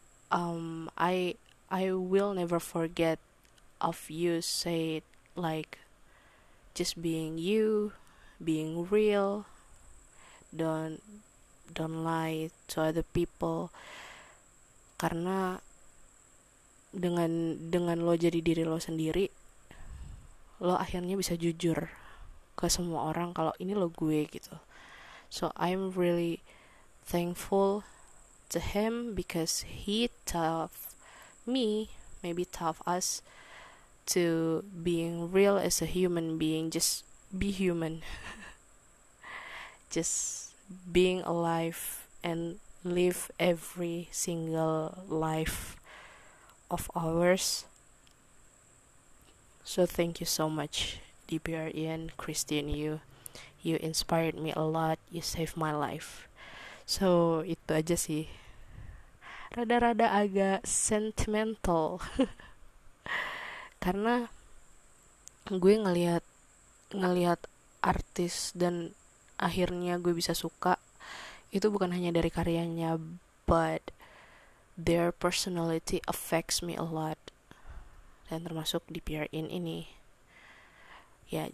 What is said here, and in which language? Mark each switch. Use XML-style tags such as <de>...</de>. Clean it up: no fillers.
<en>I will never forget of you said, like, just being you, being real, don't lie to other people.</en> <id>Karena dengan lo jadi diri lo sendiri, lo akhirnya bisa jujur ke semua orang kalau ini lo gue gitu.</id> <en>So I'm really thankful to him because he taught me, maybe taught us, to being real as a human being, just be human. Just being alive and live every single life of ours. So thank you so much, DPR Ian, Christine, you inspired me a lot, you saved my life.</en> <id>So itu aja sih, rada-rada agak sentimental karena gue ngelihat artis dan akhirnya gue bisa suka itu bukan hanya dari karyanya,</id> <en>but their personality affects me a lot,</en> <id>dan termasuk di PRN ini ya.</id>